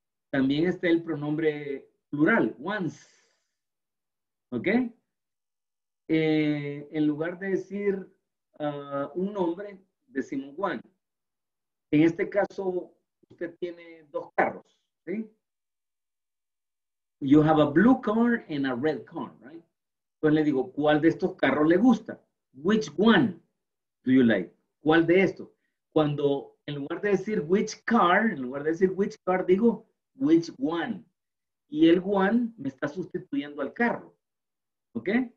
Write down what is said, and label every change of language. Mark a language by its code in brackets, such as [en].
[es] También está el pronombre plural, ones. ¿Ok? En lugar de decir un nombre, decimos one. En este caso, usted tiene dos carros, ¿sí? [en] You have a blue car and a red car, right? [es] Entonces le digo, ¿cuál de estos carros le gusta? [en] Which one do you like? [es] ¿Cuál de estos? Cuando, en lugar de decir which car, en lugar de decir which car, digo which one. Y el one me está sustituyendo al carro, ¿ok?